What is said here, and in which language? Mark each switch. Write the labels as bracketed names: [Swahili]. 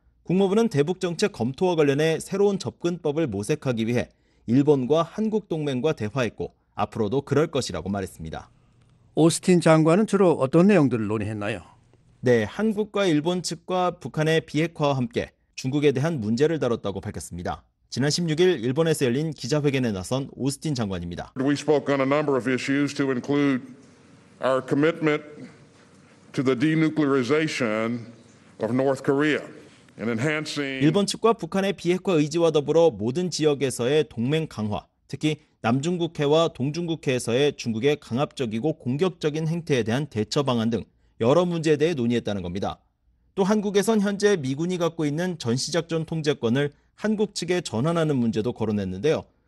[Korean] 국무부는 대북정책 검토와 관련해 새로운 접근법을 모색하기 위해 일본과 한국 동맹과 대화했고 앞으로도 그럴 것이라고 말했습니다. 오스틴 장관은 주로 어떤 내용들을 논의했나요? 네, 한국과 일본 측과 북한의 비핵화와 함께 중국에 대한 문제를 다뤘다고 밝혔습니다. 지난 16일 일본에서 열린 기자회견에 나선 오스틴 장관입니다. [English] We spoke on a number of issues to include our commitment to the denuclearization of North Korea and enhancing [Korean] 일본 측과 북한의 비핵화 의지와 더불어 모든 지역에서의 동맹 강화, 특히 남중국해와 동중국해에서의 중국의 강압적이고 공격적인 행태에 대한 대처 방안 등 여러 문제에 대해 논의했다는 겁니다. 또 한국에선 현재 미군이 갖고 있는 전시작전 통제권을 한국 측에 전환하는 문제도 거론했는데요.